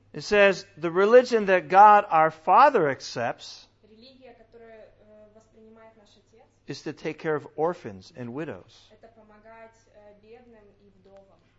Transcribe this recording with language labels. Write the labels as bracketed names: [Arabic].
[English] It says the religion that God our Father accepts. [Russian] Религия, которую воспринимает наш отец. [English] Is to take care of orphans and widows. [Russian] Это помогать бедным и вдовам.